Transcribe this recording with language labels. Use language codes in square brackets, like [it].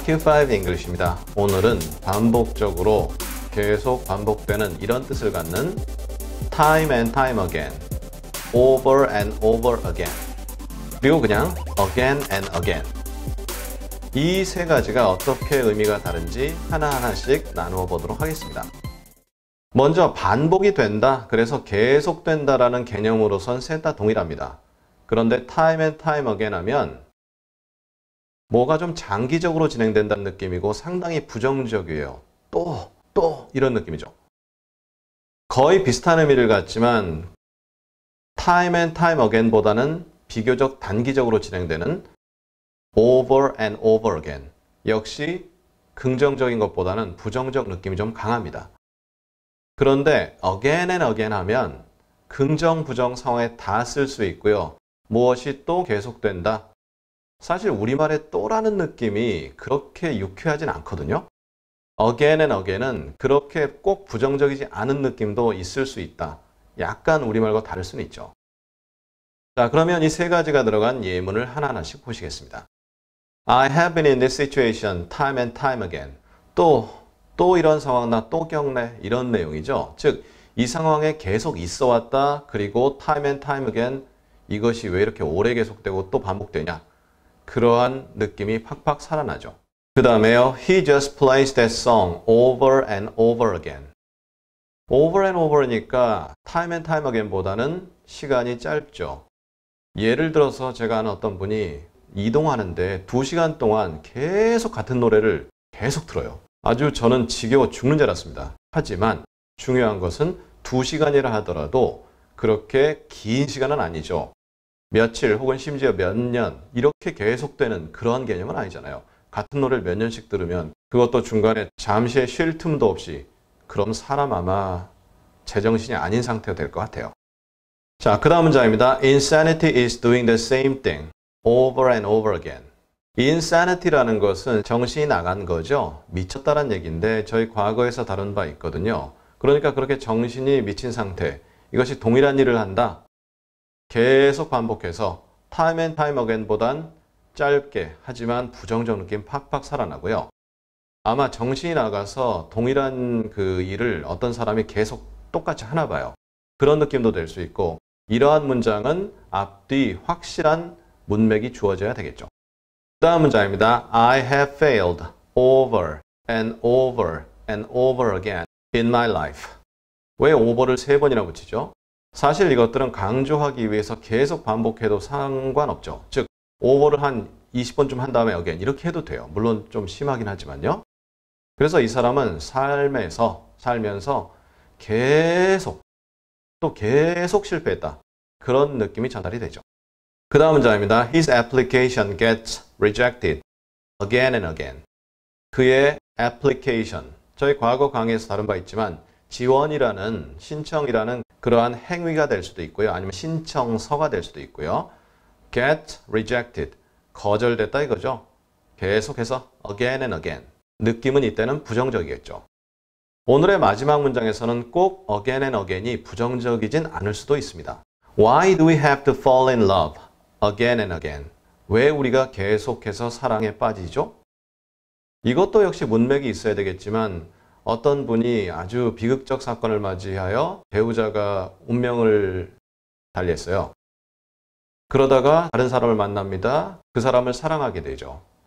[ko] Q5 English입니다. 오늘은 반복적으로 계속 반복되는 이런 뜻을 갖는 [en] time and time again, over and over again, [ko] 그리고 그냥 [en] again and again. [ko] 이 세 가지가 어떻게 의미가 다른지 하나하나씩 나누어 보도록 하겠습니다. 먼저 반복이 된다, 그래서 계속된다라는 개념으로선 셋 다 동일합니다. 그런데 [en] time and time again [ko] 하면 뭐가 좀 장기적으로 진행된다는 느낌이고 상당히 부정적이에요. 또 이런 느낌이죠. 거의 비슷한 의미를 갖지만 [en] time and time again [ko] 보다는 비교적 단기적으로 진행되는 [en] over and over again [ko] 역시 긍정적인 것보다는 부정적 느낌이 좀 강합니다. 그런데 [en] again and again [ko] 하면 긍정, 부정 상황에 다 쓸 수 있고요. 무엇이 또 계속된다. 사실 우리말에 또라는 느낌이 그렇게 유쾌하진 않거든요. [en] Again and again [ko] 은 그렇게 꼭 부정적이지 않은 느낌도 있을 수 있다. 약간 우리말과 다를 수는 있죠. 자, 그러면 이 세 가지가 들어간 예문을 하나하나씩 보시겠습니다. [en] I have been in this situation time and time again. [ko] 또 이런 상황 나 또 겪네. 이런 내용이죠. 즉, 이 상황에 계속 있어 왔다. 그리고 [en] time and time again [ko] 이것이 왜 이렇게 오래 계속되고 또 반복되냐. 그러한 느낌이 팍팍 살아나죠. 그 다음에요. [en] He just plays that song over and over again. Over and over [ko] 니까 [en] time and time again [ko] 보다는 시간이 짧죠. 예를 들어서 제가 아는 어떤 분이 이동하는데 2시간 동안 계속 같은 노래를 계속 틀어요. 아주 저는 지겨워 죽는 줄 알았습니다. 하지만 중요한 것은 2시간이라 하더라도 그렇게 긴 시간은 아니죠. 며칠 혹은 심지어 몇 년 이렇게 계속되는 그런 개념은 아니잖아요. 같은 노래를 몇 년씩 들으면 그것도 중간에 잠시의 쉴 틈도 없이 그럼 사람 아마 제정신이 아닌 상태가 될 것 같아요. 자, 그 다음 문장입니다. [en] Insanity is doing the same thing over and over again. [ko] Insanity라는 것은 정신이 나간 거죠. 미쳤다는 얘기인데 저희 과거에서 다룬 바 있거든요. 그러니까 그렇게 정신이 미친 상태, 이것이 동일한 일을 한다. 계속 반복해서 [en] time and time again [ko] 보단 짧게 하지만 부정적 느낌 팍팍 살아나고요. 아마 정신이 나가서 동일한 그 일을 어떤 사람이 계속 똑같이 하나 봐요. 그런 느낌도 될 수 있고 이러한 문장은 앞뒤 확실한 문맥이 주어져야 되겠죠. 그 다음 문장입니다. [en] I have failed over and over and over again in my life. [ko] 왜 over를 세 번이나 붙이죠? 사실 이것들은 강조하기 위해서 계속 반복해도 상관없죠. 즉, 오버를 한 20번쯤 한 다음에 again 이렇게 해도 돼요. 물론 좀 심하긴 하지만요. 그래서 이 사람은 살면서 계속 실패했다. 그런 느낌이 전달이 되죠. 그 다음 문장입니다. [en] His application gets rejected again and again. [ko] 그의 application, 저희 과거 강의에서 다룬 바 있지만 지원이라는 신청이라는 그러한 행위가 될 수도 있고요. 아니면 신청서가 될 수도 있고요. [en] Get rejected. [ko] 거절됐다 이거죠. 계속해서 [en] again and again. [ko] 느낌은 이때는 부정적이겠죠. 오늘의 마지막 문장에서는 꼭 [en] again and again [ko] 이 부정적이진 않을 수도 있습니다. [en] Why do we have to fall in love again and again? [ko] 왜 우리가 계속해서 사랑에 빠지죠? 이것도 역시 문맥이 있어야 되겠지만 어떤 분이 아주 비극적 사건을 맞이하여 배우자가 운명을 달리했어요. 그러다가 다른 사람을 만납니다. 그 사람을 사랑하게 되죠.